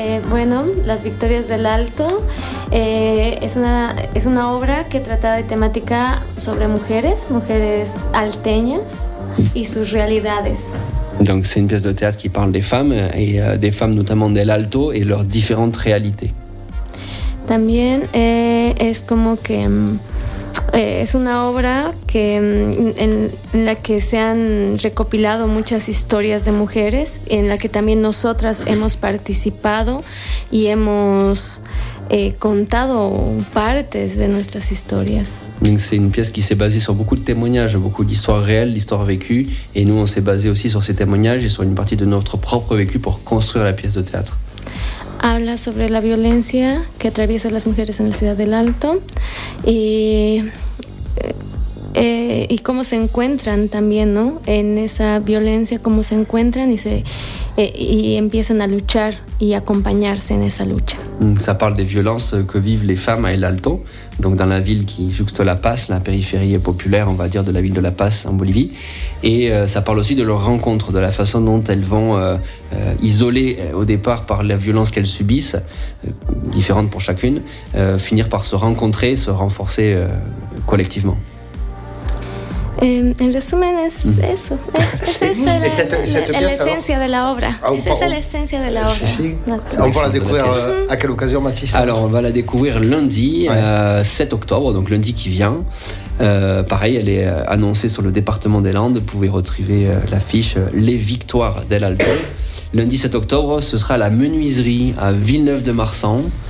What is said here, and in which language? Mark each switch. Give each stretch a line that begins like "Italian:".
Spanish: Bueno, Las Victorias del Alto es una obra que trata de temática sobre mujeres alteñas y sus realidades.
French: Donc c'est une pièce de théâtre qui parle des femmes et des femmes notamment del Alto et leurs différentes réalités.
Spanish: También es como que es una obra que en la que se han recopilado muchas historias de mujeres, en la que también nosotras hemos participado y hemos contado partes de nuestras historias.
French: Donc c'est une pièce qui s'est basée sur beaucoup de témoignages, beaucoup d'histoires réelles, d'histoires vécues, et nous on s'est basé aussi sur ces témoignages et sur une partie de notre propre vécu pour construire la pièce de théâtre.
Spanish: Habla sobre la violencia que atraviesa las mujeres en la ciudad del Alto y cómo se encuentran también, ¿no? En esa violencia, cómo se encuentran y empiezan a luchar y acompañarse en esa lucha.
French: Ça parle des violences que vivent les femmes à El Alto, donc dans la ville qui jouxte La Paz, la périphérie populaire, on va dire, de la ville de La Paz en Bolivie. Et ça parle aussi de leur rencontre, de la façon dont elles vont isolées au départ par la violence qu'elles subissent, différente pour chacune, finir par se rencontrer, se renforcer collectivement.
Spanish: En resumen, es la esencia de la obra.
French: On va la découvrir à quelle occasion, Mathis? Alors, on va la découvrir lundi, 7 octobre, donc lundi qui vient. Pareil, elle est annoncée sur le département des Landes. Vous pouvez retrouver l'affiche Les Victoires del Alto. Lundi 7 octobre, ce sera la menuiserie à Villeneuve-de-Marsan.